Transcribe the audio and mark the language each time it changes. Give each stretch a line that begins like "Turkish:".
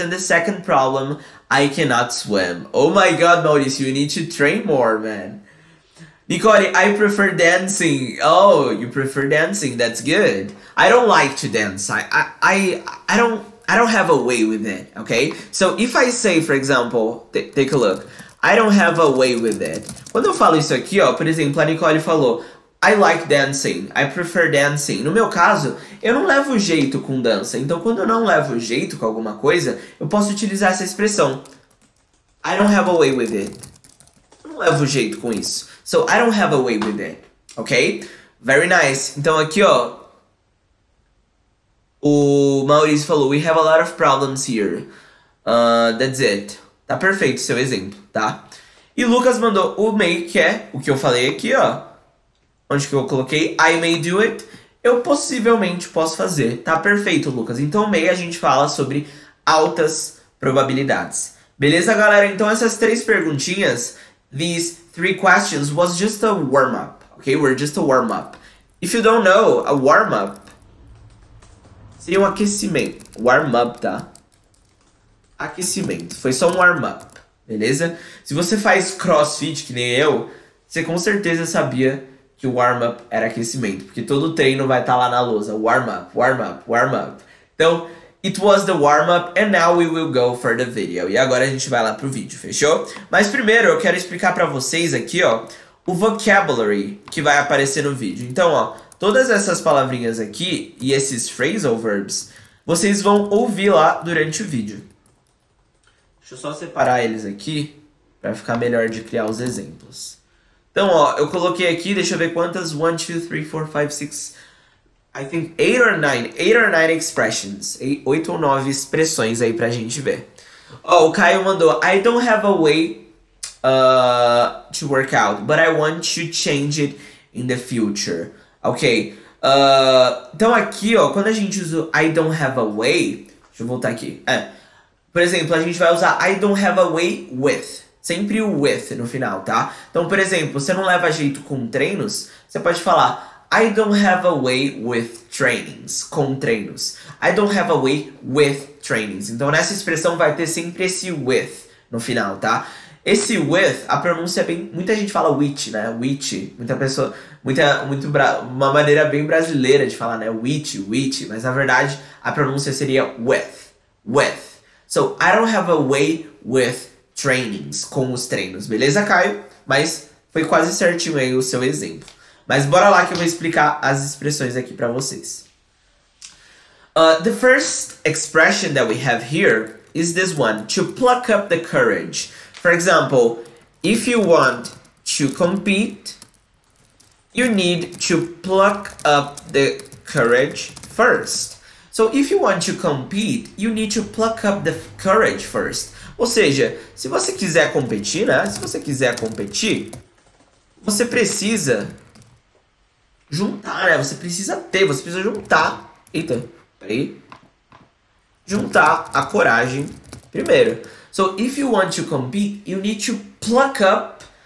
English: And the second problem, I cannot swim. Oh my god, Maurício, you need to train more, man. Nicole, I prefer dancing. Oh, you prefer dancing? That's good. I don't like to dance. I don't have a way with it, okay? So if I say, for example, take a look. I don't have a way with it.
Portuguese: Quando eu falo isso aqui, ó, por exemplo, a Nicole falou,
English: I like dancing. I prefer dancing.
Portuguese: No meu caso, eu não levo jeito com dança. Então, quando eu não levo jeito com alguma coisa, eu posso utilizar essa expressão.
English: I don't have a way with it.
Portuguese: Eu não levo jeito com isso.
English: So, I don't have a way with it, ok? Very nice.
Portuguese: Então, aqui, ó. O Maurício falou:
English: We have a lot of problems here. That's it.
Portuguese: Tá perfeito o seu exemplo, tá? E Lucas mandou: O may, que é o que eu falei aqui, ó. Onde que eu coloquei?
English: I may do it.
Portuguese: Eu possivelmente posso fazer. Tá perfeito, Lucas. Então, may a gente fala sobre altas probabilidades. Beleza, galera? Então, essas três perguntinhas.
English: These three questions was just a warm-up, okay? We're just a warm-up. If you don't know, a warm-up
Portuguese: seria um aquecimento.
English: Warm-up, tá?
Portuguese: Aquecimento. Foi só um warm-up, beleza? Se você faz crossfit, que nem eu, você com certeza sabia que o warm-up era aquecimento, porque todo treino vai estar lá na lousa.
English: Warm-up, warm-up, warm-up. Então, it was the warm-up and now we will go for the video.
Portuguese: E agora a gente vai lá pro vídeo, fechou? Mas primeiro eu quero explicar para vocês aqui, ó, o vocabulary que vai aparecer no vídeo. Então, ó, todas essas palavrinhas aqui e esses phrasal verbs, vocês vão ouvir lá durante o vídeo. Deixa eu só separar eles aqui para ficar melhor de criar os exemplos. Então, ó, eu coloquei aqui, deixa eu ver quantas.
English: 1, 2, 3, 4, 5, 6. I think 8 or 9 expressions.
Portuguese: 8 ou 9 expressões aí pra gente ver. Ó, o Caio mandou:
English: I don't have a way to work out, but I want to change it in the future.
Portuguese: Ok. Então aqui, ó, quando a gente usa
English: I don't have a way.
Portuguese: Deixa eu voltar aqui. É. Por exemplo, a gente vai usar I don't have a way with. Sempre o with no final, tá? Então, por exemplo, você não leva jeito com treinos, você pode falar.
English: I don't have a way with trainings,
Portuguese: com treinos.
English: I don't have a way with trainings.
Portuguese: Então, nessa expressão vai ter sempre esse with no final, tá? Esse with, a pronúncia é bem. Muita gente fala which, né? Which. Muita pessoa. Muita, muito bra... Uma maneira bem brasileira de falar, né? Which, which. Mas, na verdade, a pronúncia seria with. With.
English: So, I don't have a way with trainings,
Portuguese: com os treinos. Beleza, Caio? Mas foi quase certinho aí o seu exemplo. Mas bora lá que eu vou explicar as expressões aqui para vocês.
English: The first expression that we have here is this one, to pluck up the courage. For example, if you want to compete, you need to pluck up the courage first. So if you want to compete, you need to pluck up the courage first.
Portuguese: Ou seja, se você quiser competir, né? Se você quiser competir, você precisa juntar, né? Você precisa ter, você precisa juntar. Eita, peraí. Juntar a coragem primeiro.
English: So, if you want to compete, you need to pluck up